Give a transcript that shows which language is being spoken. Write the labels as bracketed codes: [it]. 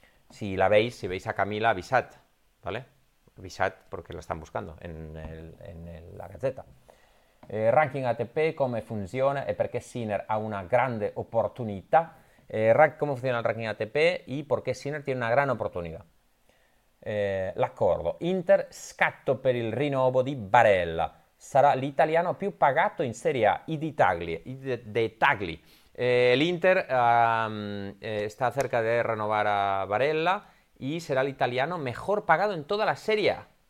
[es] Si la veis, si veis a Camila, avisad, ¿vale? Avisad porque la están buscando en la gazeta. Ranking ATP, ¿cómo funciona? ¿Y por qué Sinner ha una grande oportunidad? ¿Cómo funciona el ranking ATP? ¿Y por qué Sinner tiene una gran oportunidad? [it] L'accordo. Inter, scatto per il rinnovo di Barella. Sarà l'italiano più pagato in Serie A. I di Tagli. [es] El Inter está cerca de renovar a Barella y será el italiano mejor pagado en toda la Serie A.